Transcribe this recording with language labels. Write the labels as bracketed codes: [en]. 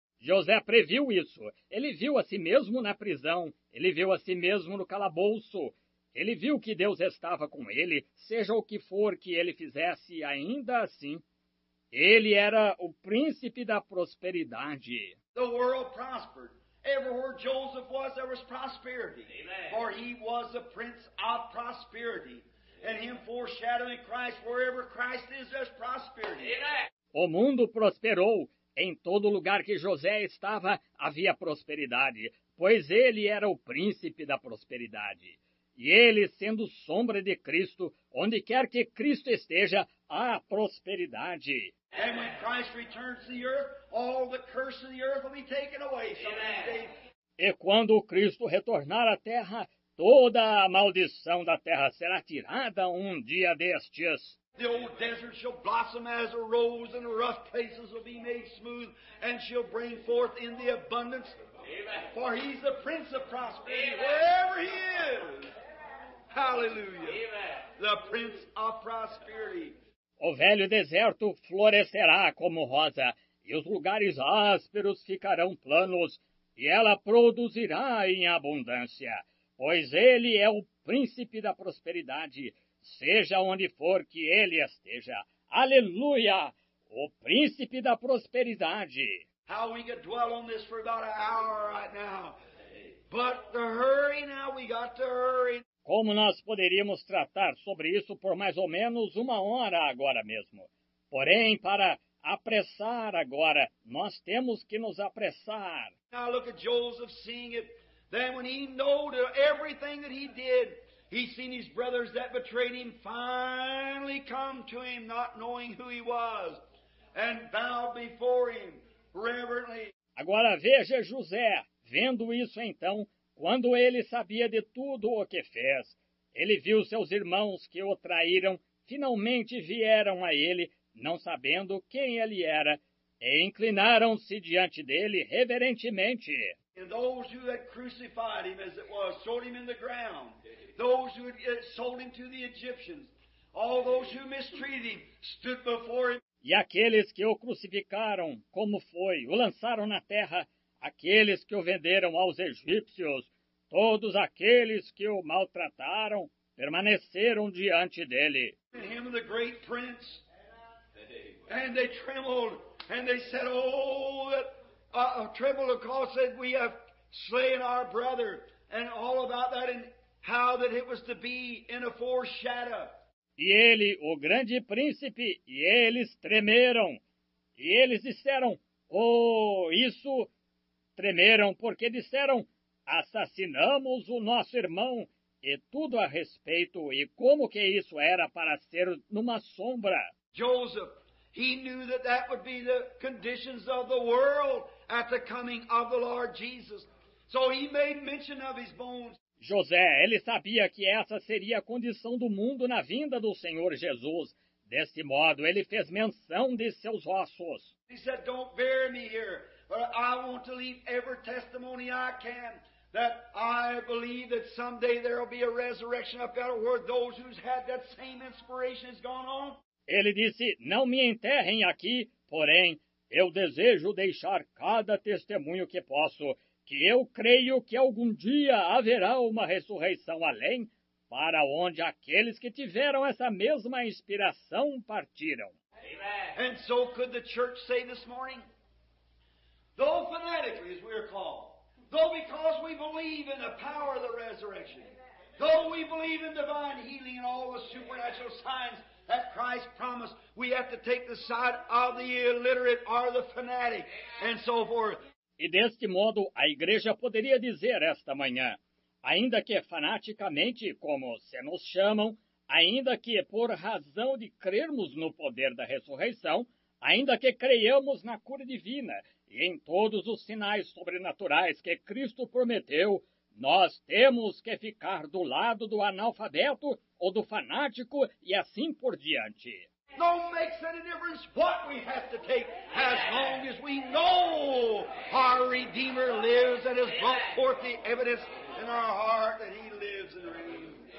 [pt] José previu isso. Ele viu a si mesmo na prisão. Ele viu a si mesmo no calabouço. Ele viu que Deus estava com ele, seja o que for que ele fizesse, ainda assim. Ele era o príncipe da prosperidade. [en] The world prospered. Everywhere Joseph was, there was prosperity. Amen. For he was a prince of prosperity. Amen. And him foreshadowing Christ, wherever Christ is, there's prosperity. Amen. [pt] O mundo prosperou. Em todo lugar que José estava, havia prosperidade, pois ele era o príncipe da prosperidade. E ele, sendo sombra de Cristo, onde quer que Cristo esteja, há prosperidade. [en] And when Christ returns to the earth, all the curse of the earth will be taken away. Amen. [pt] E quando Cristo retornar à terra, toda a maldição da terra será tirada um dia destes. [en] The old desert shall blossom as a rose, and the rough places will be made smooth, and shall bring forth in the abundance. Amen. For he's the prince of prosperity. Amen. Wherever he is. Hallelujah. Amen. The prince of prosperity. [pt] O velho deserto florescerá como rosa, e os lugares ásperos ficarão planos, e ela produzirá em abundância, pois ele é o príncipe da prosperidade, seja onde for que ele esteja. Aleluia! O príncipe da prosperidade. [en] How we could dwell on this for about an hour right now. But the hurry now, we got to hurry. [pt] Como nós poderíamos tratar sobre isso por mais ou menos uma hora agora mesmo? Porém, para apressar agora, nós temos que nos apressar. [en] Now look at Joseph seeing it. Then when he knew everything that he did, he seen his brothers that betrayed him finally come to him, not knowing who he was, and bowed before him reverently. [pt] Agora veja José, vendo isso então, quando ele sabia de tudo o que fez, ele viu seus irmãos que o traíram, finalmente vieram a ele, não sabendo quem ele era, e inclinaram-se diante dele reverentemente. [en] And those who had crucified him, as it was, sold him in the ground. Those who had sold him to the Egyptians. All those who mistreated him stood before him. [pt] E aqueles que o crucificaram, como foi, o lançaram na terra, aqueles que o venderam aos egípcios, todos aqueles que o maltrataram, permaneceram diante dele. [en] Him, the great prince. And they trembled, and they said, oh, trembled, of course, said, we have slain our brother, and all about that, and how that it was to be in a foreshadow. [pt] E ele, o grande príncipe, e eles tremeram, e eles disseram, oh, isso... Tremeram porque disseram, assassinamos o nosso irmão, e tudo a respeito, e como que isso era para ser numa sombra. [en] Joseph, he knew that that would be the conditions of the world at the coming of the Lord Jesus. So he made mention of his bones. [pt] José, ele sabia que essa seria a condição do mundo na vinda do Senhor Jesus. Desse modo, ele fez menção de seus ossos. [en] He said, don't bury me here. But I want to leave every testimony I can that I believe that someday there will be a resurrection up there where those who've had that same inspiration has gone on. [pt] Ele disse, não me enterrem aqui, porém, eu desejo deixar cada testemunho que posso, que eu creio que algum dia haverá uma ressurreição além, para onde aqueles que tiveram essa mesma inspiração partiram. Amen. [en] And so could the church say this morning? Though fanatically, as we are called, Though because we believe in the power of the resurrection. Though we believe in divine healing and all the supernatural signs that Christ promised, we have to take the side of the illiterate or the fanatic and so forth. [pt] E deste modo, a igreja poderia dizer esta manhã, ainda que fanaticamente, como se nos chamam, ainda que por razão de crermos no poder da ressurreição, ainda que creiamos na cura divina e em todos os sinais sobrenaturais que Cristo prometeu, nós temos que ficar do lado do analfabeto ou do fanático e assim por diante. [en] Não makes any difference what we have to take, as long as we know our Redeemer lives and has brought forth the evidence in our heart that He lives and reigns.